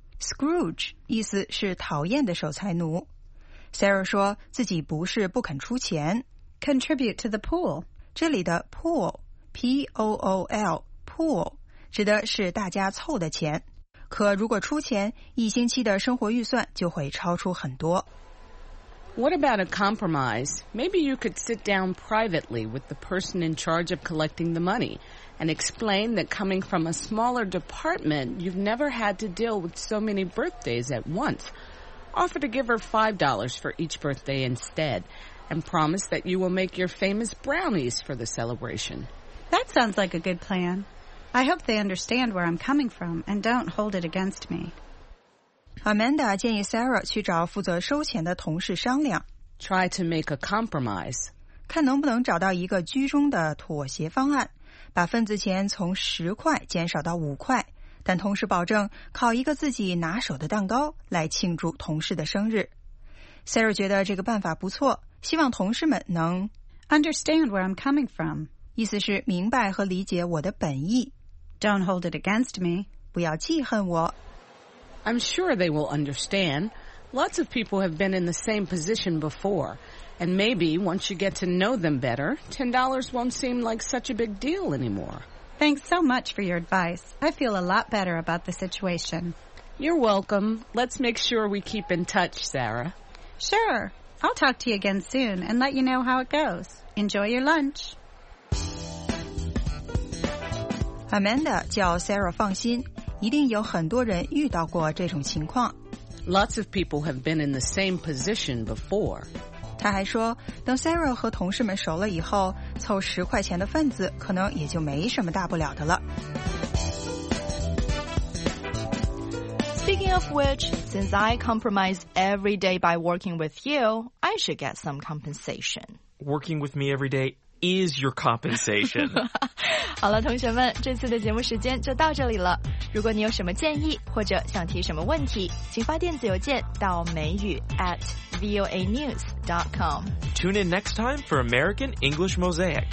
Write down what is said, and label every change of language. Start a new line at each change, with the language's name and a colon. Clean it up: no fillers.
Chinese: Scrooge 意思是讨厌的守财奴。Sarah 说自己不是不肯出钱。
English: Contribute to the pool.
Chinese: 这里的 pool, P-O-O-L, pool. 指的是大家凑的钱，可如果出钱，一星期的生活预算就会超出很多。
English: What about a compromise? Maybe you could sit down privately with the person in charge of collecting the money and explain that coming from a smaller department, you've never had to deal with so many birthdays at once. Offer to give her $5 for each birthday instead and promise that you will make your famous brownies for the celebration. That sounds like a good plan. I hope they understand where I'm coming from and don't hold it against me.
Chinese: Amanda 建议 Sarah 去找负责收钱的同事商量。
English: Try to make a compromise.
Chinese: 看能不能找到一个居中的妥协方案，把份子钱从10块减少到5块，但同时保证烤一个自己拿手的蛋糕来庆祝同事的生日。 Sarah 觉得这个办法不错，希望同事们能
English: Understand where I'm coming from.
Chinese: 意思是明白和理解我的本意。
English: Don't hold it against me.
Chinese: 不要记恨我。
English: I'm sure they will understand. Lots of people have been in the same position before. And maybe once you get to know them better, $10 won't seem like such a big deal anymore. Thanks so much for your advice. I feel a lot better about the situation. You're welcome. Let's make sure we keep in touch, Sarah. Sure. I'll talk to you again soon and let you know how it goes. Enjoy your lunch.
Chinese: Amanda 叫 Sarah 放心，一定有很多人遇到过这种情况。
English: Lots of people have been in the same position before.
Chinese: 他还说，等 Sarah 和同事们熟了以后，凑10块钱的份子可能也就没什么大不了的了。
English: Speaking of which, since I compromise every day by working with you, I should get some compensation. Working with me every day is your compensation.
Chinese: 好了，同学们，这次的节目时间就到这里了。如果你有什么建议或者想提什么问题，请发电子邮件到美语@voanews.com.
English: Tune in next time for American English Mosaic.